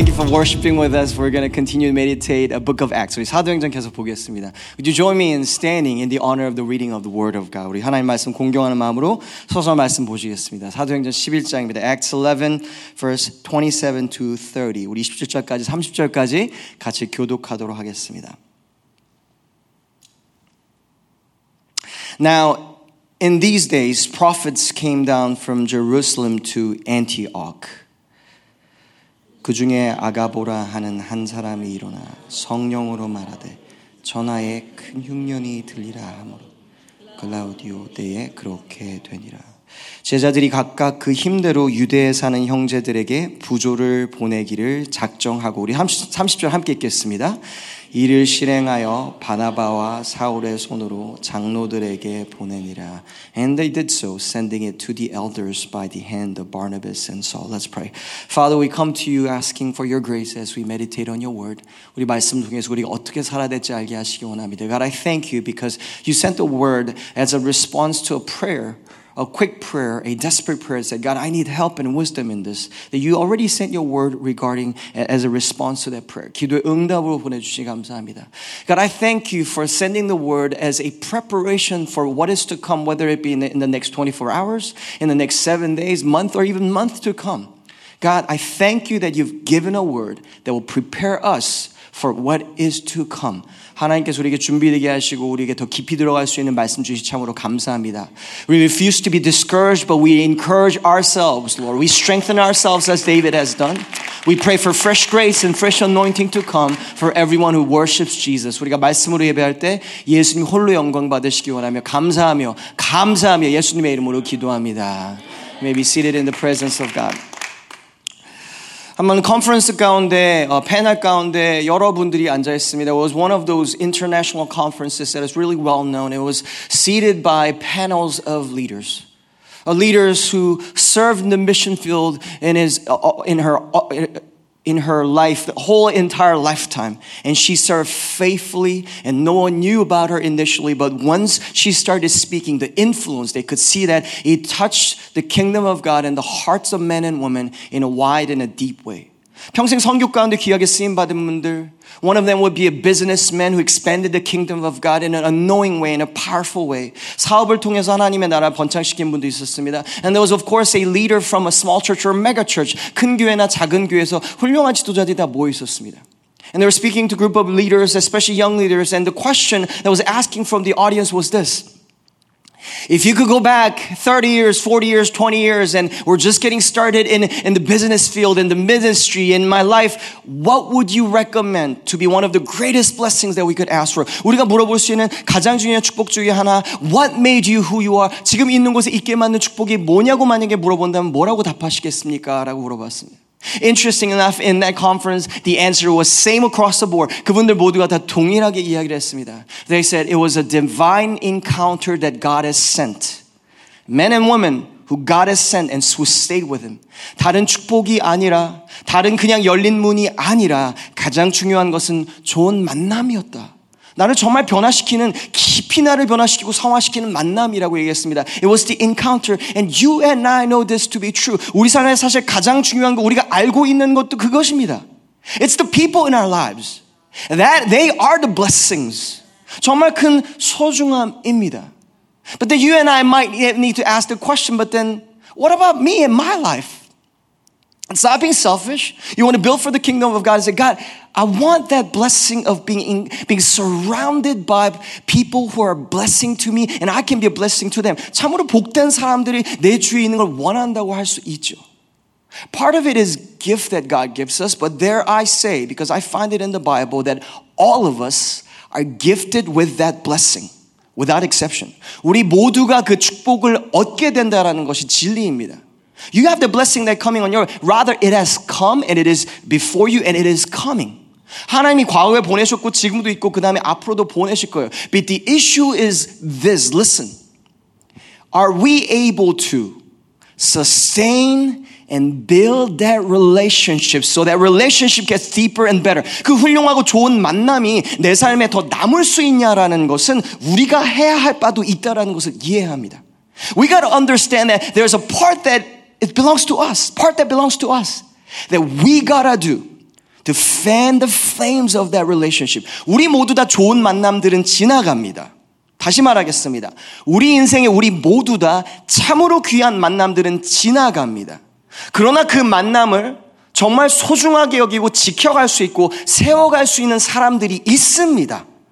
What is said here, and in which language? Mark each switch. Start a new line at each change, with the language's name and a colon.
English: worshiping with us, we're going to continue to meditate a book of Acts.
Korean: 우리 사도행전 계속 보겠습니다.
English: Would you join me in standing in the honor of the reading of the word of God?
Korean: 우리 하나님 말씀 공경하는 마음으로 서서 말씀 보시겠습니다. 사도행전 11장입니다.
English: Acts 11, verse 27 to 30.
Korean: 우리 27절까지, 30절까지 같이 교독하도록 하겠습니다.
English: Now, in these days, prophets came down from Jerusalem to Antioch.
Korean: 그 중에 아가보라 하는 한 사람이 일어나 성령으로 말하되 전하에 큰 흉년이 들리라 하므로 글라우디오 때에 그렇게 되니라. 제자들이 각각 그 힘대로 유대에 사는 형제들에게 부조를 보내기를 작정하고 우리 30절 함께 읽겠습니다. 이를 실행하여 바나바와 사울의 손으로 장로들에게 보내니라.
English: And they did so, sending it to the elders by the hand of Barnabas and Saul. Let's pray. Father, we come to you asking for your grace as we meditate on your word.
Korean: 우리 말씀 통해서 우리가 어떻게 살아야 될지 알게 하시기 원합니다.
English: God, I thank you because you sent the word as a response to a prayer. A quick prayer, a desperate prayer said, God, I need help and wisdom in this. That you already sent your word regarding as a response to that prayer.
Korean: 기도의 응답으로 보내주시니 감사합니다.
English: God, I thank you for sending the word as a preparation for what is to come, whether it be in the next 24 hours, in the next 7 days, month, or even month to come. God, I thank you that you've given a word that will prepare us for what is to come.
Korean: 하나님께서 우리에게 준비되게 하시고 우리에게 더 깊이 들어갈 수 있는 말씀 주시 참으로 감사합니다.
English: We refuse to be discouraged, but we encourage ourselves, Lord. We strengthen ourselves as David has done. We pray for fresh grace and fresh anointing to come for everyone who worships Jesus.
Korean: 우리가 말씀으로 예배할 때 예수님 홀로 영광 받으시기 원하며 감사하며 예수님의 이름으로 기도합니다.
English: You may be seated in the presence of God.
Korean: 한번 컨퍼런스 가운데 패널 가운데 여러분들이 앉아 있습니다.
English: It was one of those international conferences that is really well known. It was seated by panels of leaders. Leaders who served in the mission field in her life, the whole entire lifetime. And she served faithfully and no one knew about her initially, but once she started speaking, the influence, they could see that it touched the kingdom of God and the hearts of men and women in a wide and a deep way.
Korean: 평생 선교 가운데 귀하게 쓰임 받은 분들,
English: one of them would be a businessman who expanded the kingdom of God in an annoying way, in a powerful way.
Korean: 사업을 통해서 하나님의 나라 번창시킨 분도 있었습니다.
English: And there was of course a leader from a small church or a mega church,
Korean: 큰 교회나 작은 교회에서 훌륭한 지도자들이 다 모여 있었습니다.
English: And they were speaking to a group of leaders, especially young leaders, and the question that was asking from the audience was this. If you could go back 30 years, 40 years, 20 years, and we're just getting started in the business field, in the ministry, in my life, what would you recommend to be one of the greatest blessings that we could ask for?
Korean: 우리가 물어볼 수 있는 가장 중요한 축복 중에 하나,
English: what made you who you are?
Korean: 지금 있는 곳에 있게 만든 축복이 뭐냐고 만약에 물어본다면 뭐라고 답하시겠습니까? 라고 물어봤습니다.
English: Interesting enough, in that conference, the answer was same across the board.
Korean: 그분들 모두가 다 동일하게 이야기를 했습니다.
English: They said it was a divine encounter that God has sent. Men and women who God has sent and who stayed with him.
Korean: 다른 축복이 아니라, 다른 그냥 열린 문이 아니라 가장 중요한 것은 좋은 만남이었다. 나를 정말 변화시키는, 깊이 나를 변화시키고 성화시키는 만남이라고 얘기했습니다.
English: It was the encounter, and you and I know this to be true.
Korean: 우리 삶에 사실 가장 중요한 거, 우리가 알고 있는 것도 그것입니다.
English: It's the people in our lives. That they are the blessings.
Korean: 정말 큰 소중함입니다.
English: But then you and I might need to ask the question, but then what about me and my life? And stop being selfish. You want to build for the kingdom of God and say, God, I want that blessing of being surrounded by people who are blessing to me and I can be a blessing to them.
Korean: 참으로 복된 사람들이 내 주위에 있는 걸 원한다고 할 수 있죠.
English: Part of it is gift that God gives us, but there I say, because I find it in the Bible, that all of us are gifted with that blessing, without exception.
Korean: 우리 모두가 그 축복을 얻게 된다라는 것이 진리입니다.
English: You have the blessing that coming on your way. Rather, it has come and it is before you and it is coming.
Korean: 하나님이 과거에 보내셨고 지금도 있고 그 다음에 앞으로도 보내실 거예요.
English: But the issue is this. Listen. Are we able to sustain and build that relationship so that relationship gets deeper and better?
Korean: 그 훌륭하고 좋은 만남이 내 삶에 더 남을 수 있냐라는 것은 우리가 해야 할 바도 있다라는 것을 이해합니다.
English: We got to understand that there's a part that it belongs to us, part that belongs to us, that we gotta do to fan the flames of that relationship.
Korean: 우리 모두 다 좋은 만남들은 지나갑니다. 다시 말하겠습니다. 우리 인생에 우리 모두 다 참으로 귀한 만남들은 지나갑니다. 그러나 그 만남을 정말 소중하게 여기고 지켜갈 수 있고 세워갈 수 있는 사람들이 있습니다.